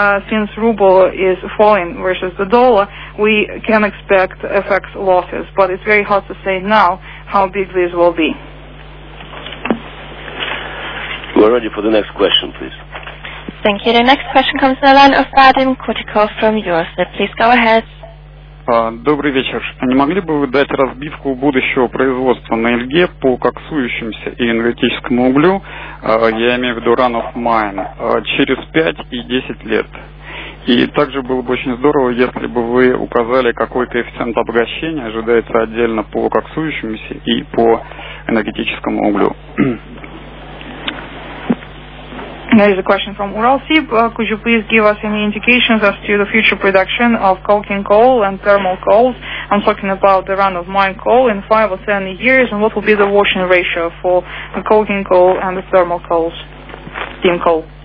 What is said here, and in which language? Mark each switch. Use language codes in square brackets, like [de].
[en] Since ruble is falling versus the dollar, we can expect FX losses. But it's very hard to say now how big these will be. We're ready for the next question, please. Thank you. The next question comes from the line of Vadim Kutikov from Eurostat. Please go ahead. [ru] Добрый вечер. Не могли бы вы дать разбивку будущего производства на Эльге по коксующимся и энергетическому углю, я имею в виду Run of Mine, через 5 и 10 лет? И также было бы очень здорово, если бы вы указали, какой коэффициент обогащения ожидается отдельно по коксующимся и по энергетическому углю. [en] There is a question from Uralsib. Could you please give us any indications as to the future production of coking coal and thermal coals? I'm talking about the run-of-mine coal in 5 or 10 years, and what will be the washing ratio for the coking coal and the thermal coals, steam coal?